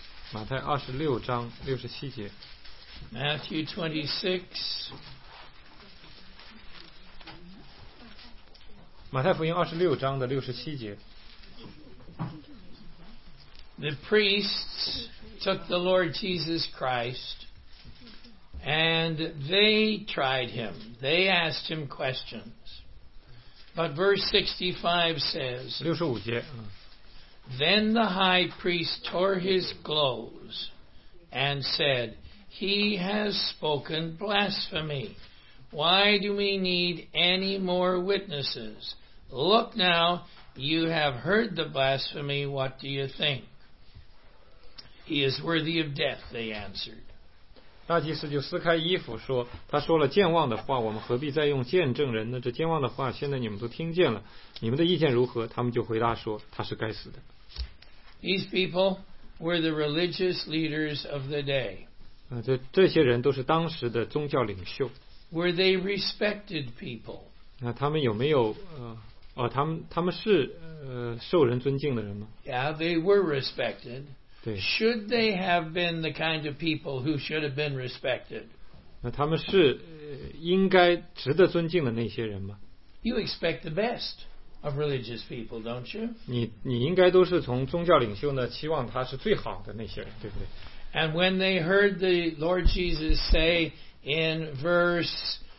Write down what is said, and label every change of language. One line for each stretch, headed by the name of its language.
Chinese: 马太二十六章六十七节。
English: Matthew 26.
Chinese: 马太福音二十六章的六十七节。
English: The priests took the Lord Jesus Christ and they tried him. They asked him questions. But verse 65 says,
Chinese: 六十五节。
English: Then the high priest tore his clothes and said, "He has spoken blasphemy. Why do we need any more witnesses? Look now, you have heard the blasphemy. What do you think? He is worthy of death," they answered.
Chinese: 大祭司就撕开衣服说，他说了健忘的话，我们何必再用见证人呢？这健忘的话，现在你们都听见了，你们的意见如何？他们就回答说，他是该死的。
English: These people were the religious leaders of the day.
Chinese: 这些人都是当时的宗教领袖。
English: Were they respected people?
Chinese: 那他们有没有他们是受人尊敬的人吗
English: ？Yeah, they were respected.
Chinese: 对。
English: Should they have been the kind of people who should have been respected?
Chinese: 那他们是应该值得尊敬的那些人吗
English: ？You expect the best of religious people, don't you?
Chinese: 你应该都是从宗教领袖呢期望他是最好的那些人，对不对
English: ？And when they heard the Lord Jesus say in verse